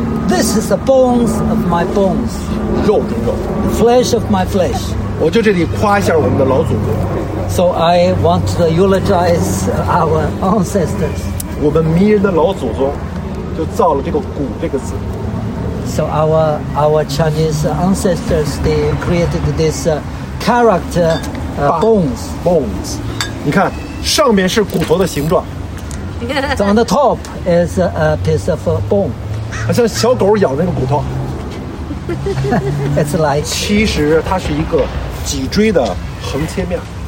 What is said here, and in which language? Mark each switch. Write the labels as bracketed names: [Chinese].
[English] This is the bones of my bones. [Chinese] 肉中肉。 [English] Flesh of my flesh. [Chinese] 我就这里夸一下我们的老祖宗。 [English] So I want to eulogize our ancestors. [Chinese] 我们迷人的老祖宗就造了这个骨这个字。 [English] So our Chinese ancestors, they created this character, bones. Bones. [Chinese] 你看上面是骨头的形状。 [English] On the top is a piece of bone. [Chinese] 好像小狗咬那个骨头。 [English] It's like. [Chinese] 其实它是一个脊椎的横切面。